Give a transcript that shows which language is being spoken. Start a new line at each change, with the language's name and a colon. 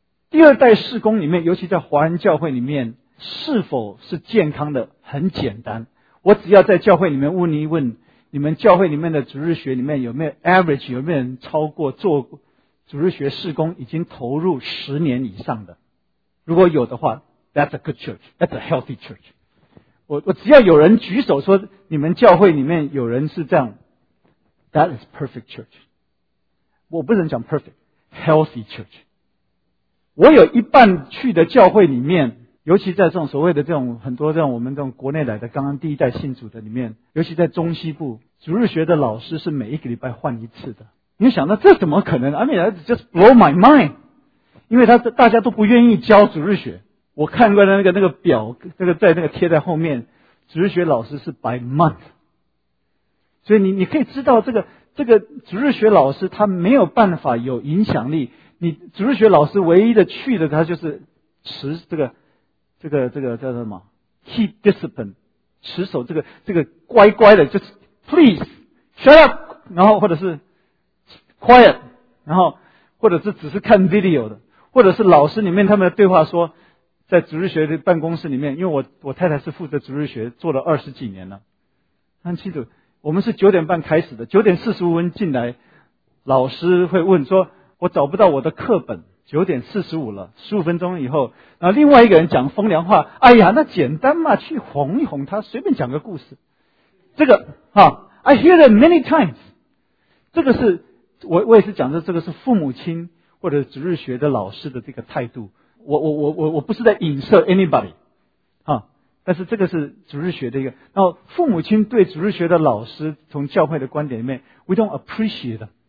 Chinese: 第二代事工里面，尤其在华人教会里面，是否是健康的很简单。我只要在教会里面问一问，你们教会里面的逐日学里面有没有 average， 有没有人超过做逐日学事工已经投入十年以上的？如果有的话 ，
English: that's a good church， that's a healthy church。
Chinese: 我只要有人举手说你们教会里面有人是这样 ，
English: that is perfect church。
Chinese: 我不能讲 perfect，
English: healthy church。
Chinese: 我有一半去的教会里面，尤其在这种所谓的这种很多这种我们这种国内来的刚刚第一代信主的里面，尤其在中西部，逐日学的老师是每一个礼拜换一次的。你想到这怎么可能 ？
English: I mean, it's just blow my mind。
Chinese: 因为大家都不愿意教逐日学。我看过的那个表，那个在那个贴在后面，逐日学老师是
English: by month。
Chinese: 所以你可以知道这个逐日学老师他没有办法有影响力。你逐日学老师唯一的去的他就是持这个叫什么 ？
English: Keep discipline，
Chinese: 持守这个乖乖的，就是
English: please shut up，
Chinese: 然后或者是 quiet， 然后或者是只是看 video 的，或者是老师里面他们的对话说，在逐日学的办公室里面，因为我太太是负责逐日学做了二十几年了，很清楚，我们是九点半开始的，九点四十五分进来，老师会问说，我找不到我的课本。 9点45了，15分钟以后，然后另外一个人讲风凉话，哎呀，那简单嘛，去哄一哄他，随便讲个故事。这个啊 ，
English: I hear that many times。
Chinese: 这个是我也是讲的，这个是父母亲或者逐日学的老师的这个态度。我不是在影射 anybody 啊，但是这个是逐日学的一个。然后父母亲对逐日学的老师，从教会的观点里面 ，
English: we don't appreciate them。